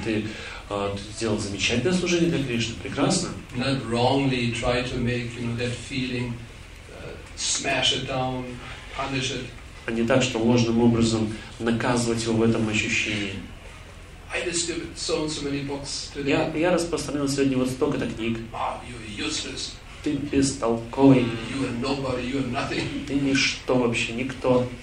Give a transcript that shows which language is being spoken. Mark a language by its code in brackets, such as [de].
[ru] Ты сделал замечательное служение для Кришны. Прекрасно. [en] Not wrongly try to make, you know, that feeling smash it down, punish it. [ru] А не так, что ложным образом наказывать его в этом ощущении. [en] I distributed so many books today. [ru] Я распространил сегодня вот столько-то книг. [en] You're useless. [ru] Ты бестолковый. [en] You are nobody, you are nothing. [ru] Ты ничто вообще, никто.